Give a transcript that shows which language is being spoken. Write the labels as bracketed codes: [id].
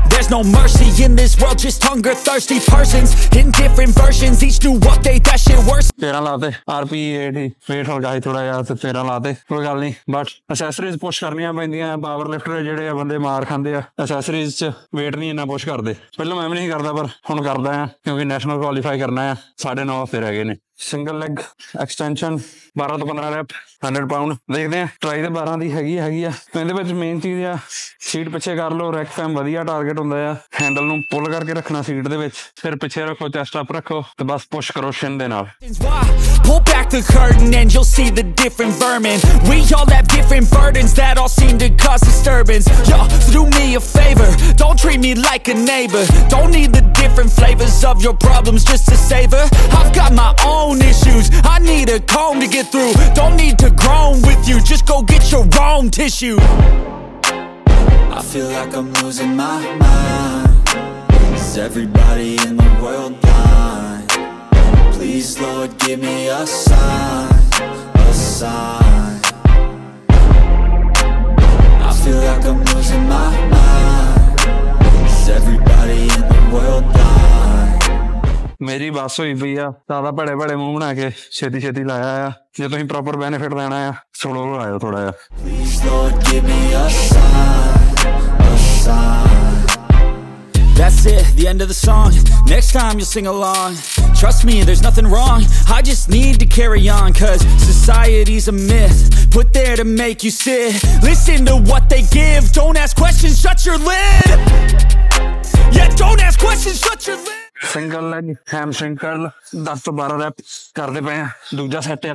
[en] No mercy in this world, just hunger thirsty persons in different versions, each new update that shit worse. [pa] ਤੇਰਾ ਲਾਤੇ RPE 8 ਹੀ ਫੇਟ ਹੋ ਜਾਏ ਥੋੜਾ ਜਿਹਾ, ਤੇ 13 ਲਾਤੇ, ਕੋਈ ਗੱਲ ਨਹੀਂ। ਬਟ ਅਸੈਸਰੀਜ਼ ਪੁਸ਼ ਕਰਨੀਆਂ ਪੈਂਦੀਆਂ, ਪਾਵਰ ਲਿਫਟਰ ਜਿਹੜੇ ਆ ਬੰਦੇ ਮਾਰ ਖਾਂਦੇ ਆ, ਅਸੈਸਰੀਜ਼ 'ਚ ਵੇਟ ਨਹੀਂ ਇੰਨਾ ਪੁਸ਼ ਕਰਦੇ। ਪਹਿਲਾਂ ਮੈਂ ਵੀ ਨਹੀਂ ਕਰਦਾ, ਪਰ ਹੁਣ ਕਰਦਾ ਹਾਂ ਕਿਉਂਕਿ ਨੈਸ਼ਨਲ ਕੁਆਲੀਫਾਈ ਕਰਨਾ ਆ, 9.5 ਹਫ਼ਤੇ ਰਹਿ ਗਏ ਨੇ। ਸਿੰਗਲ ਲੈਗ ਐਕਸਟੈਂਸ਼ਨ 12 ਤੋਂ 15 ਰੈਪ, 100 pounds, ਦੇਖਦੇ ਹਾਂ। ਟ੍ਰਾਈ ਤਾਂ 12 ਦੀ ਹੈਗੀ ਆ, ਇਹਦੇ ਵਿੱਚ ਮੇਨ ਚੀਜ਼ ਆ ਸੀਟ ਪਿੱਛੇ ਕਰ ਲਓ, ਰੈਕ ਫੈਮ ਵਧੀਆ ਟਾਰਗੇਟ ਹੁੰਦਾ ਆ, ਹੈਂਡਲ ਨੂੰ ਪੁੱਲ ਕਰਕੇ ਰੱਖਣਾ ਸੀਟ ਦੇ ਵਿੱਚ, ਫਿਰ ਪਿੱਛੇ ਰੱਖੋ, ਚੈਸਟ ਅਪ ਰੱਖੋ, ਤੇ ਬਸ ਪੁਸ਼ ਕਰੋ ਸ਼ਿਨ ਦੇ ਨਾਲ। [en] Pull back the curtain and you'll see the different vermin. We all have different burdens that all seem to cause disturbance. Yo, do me a favor, don't treat me like a neighbor. Don't need the different flavors of your problems just to savor. I've got my own issues, I need a comb to get through. Don't need to groan with you, just go get your wrong tissue. I feel like I'm losing my mind. Is everybody in the world blind? Please Lord give me a sign, a sign. I feel feel like I'm losing my mind. Is everybody in the world blind? [pa] ਮੇਰੀ ਬੱਸ ਹੋਈ ਪਈ ਆ, ਜ਼ਿਆਦਾ ਭੜੇ ਭੜੇ ਮੂੰਹ ਬਣਾ ਕੇ ਛੇਤੀ ਛੇਤੀ ਲਾਇਆ ਆ। ਜੇ ਤੁਸੀਂ ਪ੍ਰੋਪਰ ਬੈਨੀਫਿਟ ਲੈਣਾ ਆ, ਸਲੋ ਲਾਇਓ ਥੋੜਾ ਜਿਹਾ। [en] Please Lord give me a sign, a sign. That's it, the end of the song. Next time you'll sing along. Trust me, there's nothing wrong. I just need to carry on, 'cause society's a myth put there to make you sit. Listen to what they give, don't ask questions, shut your lid. Yeah, don't ask questions, shut your lid. [pa] Single ਹੈ ਜੀ, ham single, 10-12 rap ਕਰਦੇ ਪਏ ਆ, ਦੂਜਾ set ਹੈ